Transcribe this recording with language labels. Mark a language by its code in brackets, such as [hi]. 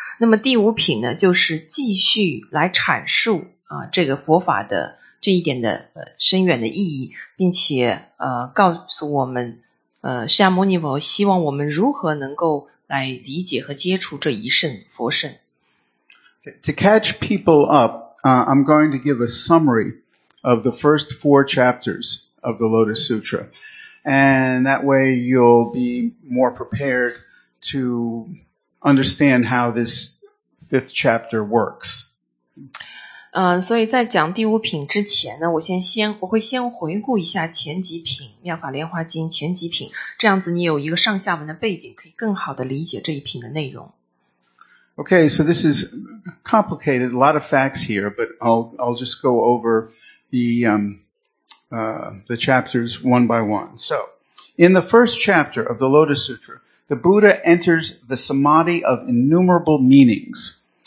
[zh] 那么第五品呢，就是继续来阐述这个佛法的这一点的深远的意义，并且告诉我们释迦牟尼佛希望我们如何能够来理解和接触这一圣佛圣。 [en] To catch people up, I'm going to give a summary of the first four chapters of the Lotus Sutra. And that way you'll be more prepared to understand how this fifth chapter works. [zh] 所以在讲第五品之前呢，我会先回顾一下前几品《妙法莲华经》前几品，这样子你有一个上下文的背景，可以更好的理解这一品的内容。 [en] Okay, so this is complicated, a lot of facts here, but I'll just go over the chapters one by one. So, in the first chapter of the Lotus Sutra, the Buddha enters the samadhi of innumerable meanings.